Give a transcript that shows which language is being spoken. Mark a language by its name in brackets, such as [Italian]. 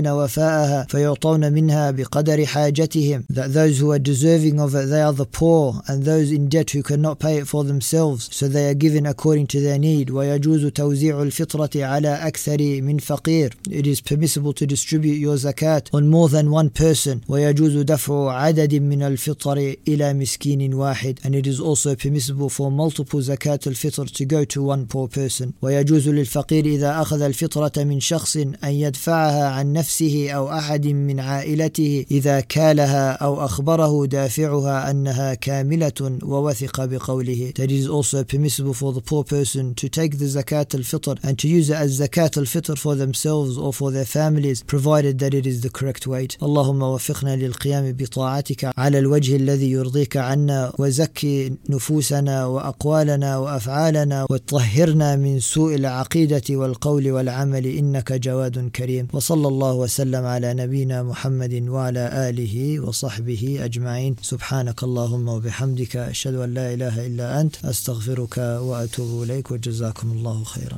[Arabic] يستحقون وفاءها فيعطون منها بقدر حاجتهم. [English] That those who are deserving of it, they are the poor, and those in debt who cannot pay it for themselves, so they are given according to their need. [Arabic] ويجوز توزيع الفطرة على أكثر من فقير. [English] It is permissible to distribute your zakat on more than one person. [Arabic] ويجوز دفع عدد من الفطر إلى مسكين واحد. [English] And it is also permissible for multiple zakat al-fitr to go to one poor person. [Arabic] ويجوز للفقير إذا أخذ الفطرة من شخص أن يدفعها عن نفسه أو أحد من عائلته إذا كالها أو أخبره دافعها أنها كاملة ووثق بقوله. [English] That it is also permissible for the poor person to take the zakat al-fitr and to use it as zakat al-fitr for themselves or for their families, provided that it is the correct weight. [Arabic] اللهم وفقنا للقيام بطاعتك على الوجه الذي يرضيك عنا وزكي نفوسنا وأقوالنا وأفعالنا وطهرنا من سوء العقيدة والقول والعمل إنك جواد كريم وصلى الله وسلم على نبينا محمد وعلى آله وصحبه أجمعين سبحانك اللهم وبحمدك أشهد أن لا إله إلا أنت أستغفرك وأتوب إليك وجزاكم الله خيرا.